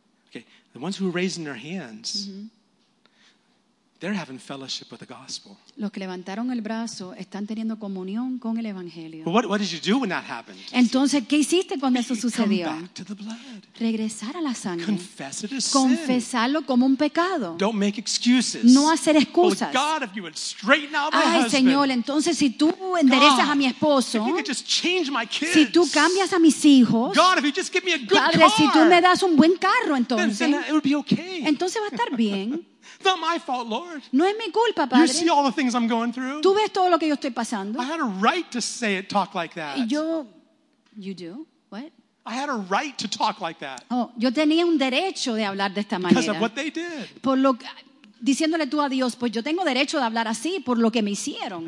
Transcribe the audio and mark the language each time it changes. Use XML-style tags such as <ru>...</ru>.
<en>Okay, the ones who are raising their hands, they're having fellowship with the gospel.</en> <es>Los que levantaron el brazo están teniendo comunión con el evangelio.</es> <en>But what did you do when that happened?</en> <es>Entonces, ¿qué hiciste cuando eso sucedió?</es> <en>Come back to the blood.</en> <es>Regresar a la sangre.</es> <en>Confess it as sin.</en> <es>Confesarlo como un pecado.</es> <en>Don't make excuses.</en> <es>No hacer excusas.</es> <en>Oh God, if you would straighten out my</en> <es>ay,</es> <en>husband.</en> <es>Ay, Señor, entonces si tú enderezas</es> <en>God,</en> <es>a mi esposo.</es> <en>If you could just change my kids.</en> <es>Si tú cambias a mis hijos.</es> <en>God, if you just give me a good</en> <es>padre,</es> <en>car.</en> <es>Si tú me das un buen carro, entonces.</es> <en>Then it would be okay.</en> <es>Entonces va a estar bien.</es> <en>Not my fault, Lord.</en> <es>No es mi culpa, Padre.</es> <en>You see all the things I'm going through.</en> <es>Tú ves todo lo que yo estoy pasando.</es> <en>I had a right to say it, talk like that. Yo, you do? What? I had a right to talk like that.</en> <es>Oh, yo tenía un derecho de hablar de esta manera.</es> <en>Because of what they did.</en> <es>Por lo diciéndole tú a Dios, pues yo tengo derecho de hablar así por lo que me hicieron.</es>